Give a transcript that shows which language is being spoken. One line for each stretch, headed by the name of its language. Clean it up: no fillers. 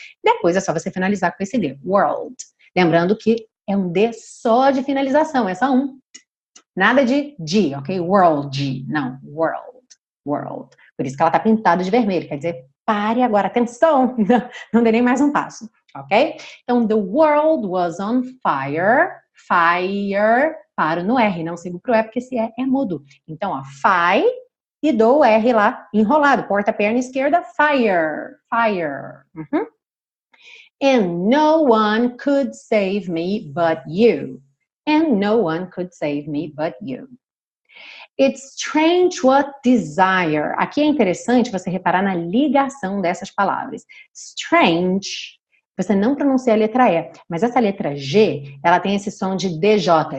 Portuguese: Depois é só você finalizar com esse D, world. Lembrando que é um D só de finalização, é só um. Nada de G, ok? World, G. Não, world. Por isso que ela tá pintada de vermelho. Quer dizer, pare agora, atenção. Não dê nem mais um passo, ok?
English: Então, the world was on fire.
Portuguese: Fire, paro no R, não sigo pro E, porque esse E é mudo. Então, ó, fi, e dou o R lá, enrolado. Porta a perna esquerda, fire. Uhum.
English: And no one could save me but you. And no one could save me but you. It's strange what desire.
Portuguese: Aqui é interessante você reparar na ligação dessas palavras. Strange, você não pronuncia a letra E, mas essa letra G, ela tem esse som de DJ.